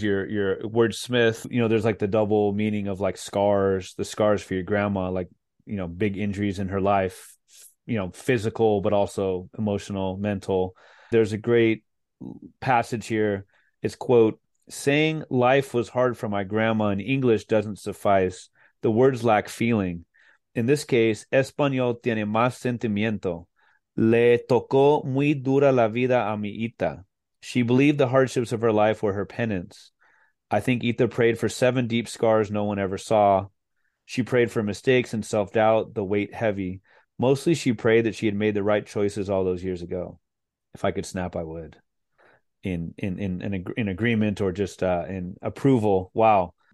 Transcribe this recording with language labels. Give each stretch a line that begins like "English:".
English: You're a wordsmith. There's like the double meaning of like scars, the scars for your grandma, like, big injuries in her life, physical, but also emotional, mental. There's a great passage here. It's quote, saying life was hard for my grandma in English doesn't suffice. The words lack feeling. In this case,
Spanish: español tiene más sentimiento. Le tocó muy dura la vida a mi Ita.
English: She believed the hardships of her life were her penance. I think Ita prayed for seven deep scars no one ever saw. She prayed for mistakes and self-doubt, the weight heavy. Mostly she prayed that she had made the right choices all those years ago. If I could snap, I would. In agreement or just in approval. Wow.